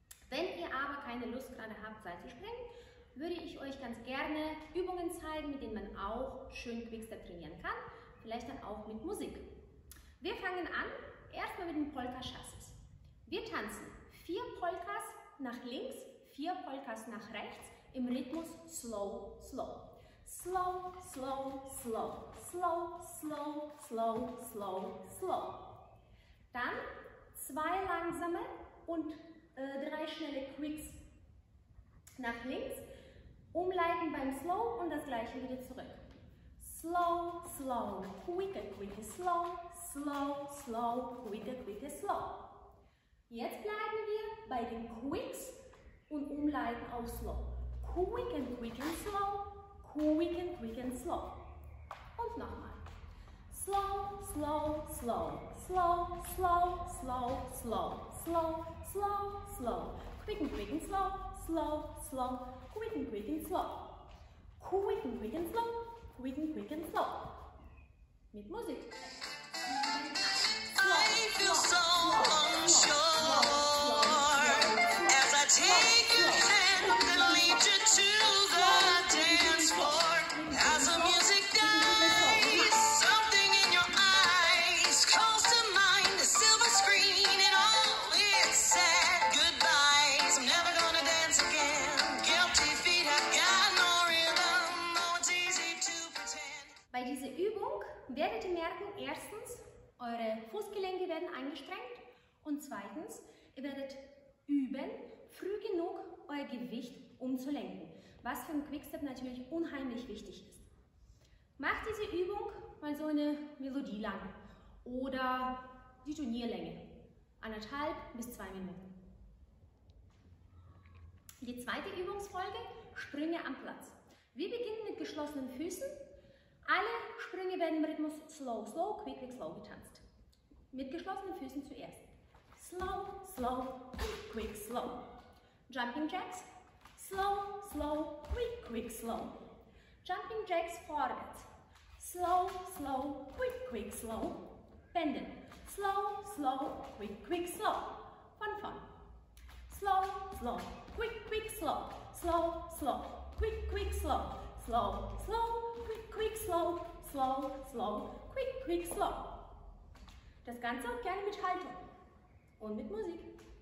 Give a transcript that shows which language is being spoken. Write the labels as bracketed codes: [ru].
[de] Wenn ihr aber keine Lust gerade habt, Seilspringen, würde ich euch ganz gerne Übungen zeigen, mit denen man auch schön Quickstep trainieren kann. Vielleicht dann auch mit Musik. Wir fangen an, erstmal mit dem Polka-Chassis. Wir tanzen 4 Polkas nach links, 4 Polkas nach rechts im Rhythmus slow, slow. [en] Slow, slow, slow, slow, slow, slow, slow, slow. [de] Dann 2 langsame und 3 schnelle Quicks nach links, umleiten beim Slow und das gleiche wieder zurück. [en] Slow, slow, quicker, quicker, slow, slow, slow, quicker, quicker, slow. [de] Jetzt bleiben wir bei den Quicks und umleiten auf Slow. [en] Quick and quick and slow, quick and quick and slow. [de] Und nochmal. [en] Slow, slow, slow, slow, slow, slow, slow, slow, slow, slow, quick and quick and slow, slow, slow, quick and quick and slow, quick and quick and slow, quick and quick and slow. [de] Mit Musik. [en] I feel so unsure as I take your hand and lead you to the dance floor. As the music dies, something in your eyes calls to mind the silver screen and all it said. Goodbyes, I'm never gonna dance again. Guilty feet have got no rhythm, no, it's easy to pretend. [de] Bei dieser Übung werdet ihr merken, erstens, eure Fußgelenke werden angestrengt und zweitens, ihr werdet üben, früh genug euer Gewicht umzulenken, was für einen Quickstep natürlich unheimlich wichtig ist. Macht diese Übung mal so eine Melodie lang oder die Turnierlänge, 1,5 bis 2 Minuten. Die zweite Übungsfolge, Sprünge am Platz. Wir beginnen mit geschlossenen Füßen. Alle Sprünge werden im Rhythmus slow, slow, quick, quick, slow getanzt. Mit geschlossenen Füßen zuerst. [en] Slow, slow, quick, quick, slow. Jumping Jacks. Slow, slow, quick, quick, slow. Jumping Jacks vorwärts. Slow, slow, quick, quick, slow. Bänden. Slow, slow, quick, quick, slow. [de] Von vorn. [en] Slow, slow, quick, quick, slow. Slow, slow, quick, quick, slow. Slow, slow, quick, quick, slow, slow, slow, quick, quick, slow. [de] Das Ganze auch gerne mit Haltung und mit Musik.